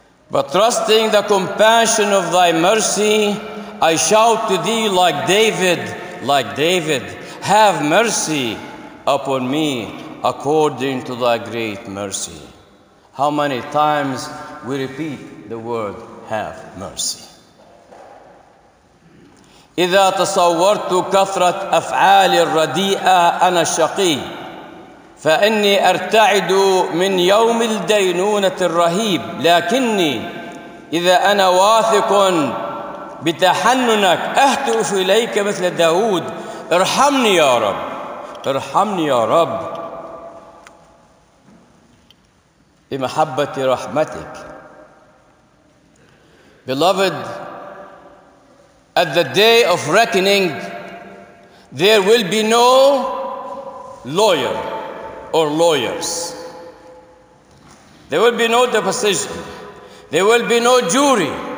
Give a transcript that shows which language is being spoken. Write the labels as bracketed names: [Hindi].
[English] But trusting the compassion of thy mercy, I shout to thee like David, have mercy upon me according to thy great mercy. How many times we repeat the word, have mercy. [Arabic] إذا تصورت كثرة أفعال الرديئة أنا الشقي فإني أرتعد من يوم الدينونة الرهيب لكني إذا أنا واثق بتحننك أهتف إليك مثل داود ارحمني يا رب ارحمني يا رب بمحبة رحمتك. [English] Beloved, at the day of reckoning, there will be no lawyer or lawyers. There will be no deposition. There will be no jury.